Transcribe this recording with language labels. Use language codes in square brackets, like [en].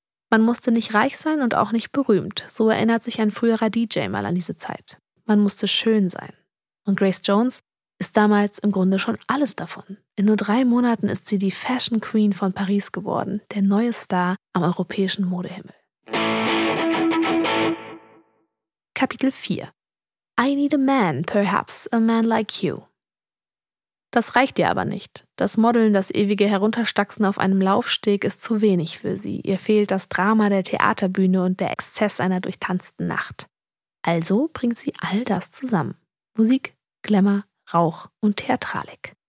[de] Man musste nicht reich sein und auch nicht berühmt, so erinnert sich ein früherer DJ mal an diese Zeit. Man musste schön sein. Und Grace Jones ist damals im Grunde schon alles davon. In nur 3 Monaten ist sie die Fashion Queen von Paris geworden, der neue Star am europäischen Modehimmel. Kapitel 4. [en] I need a man, perhaps a man like you. [de] Das reicht ihr aber nicht. Das Modeln, das ewige Herunterstaxen auf einem Laufsteg ist zu wenig für sie. Ihr fehlt das Drama der Theaterbühne und der Exzess einer durchtanzten Nacht. Also bringt sie all das zusammen. Musik, Glamour, Rauch und Theatralik.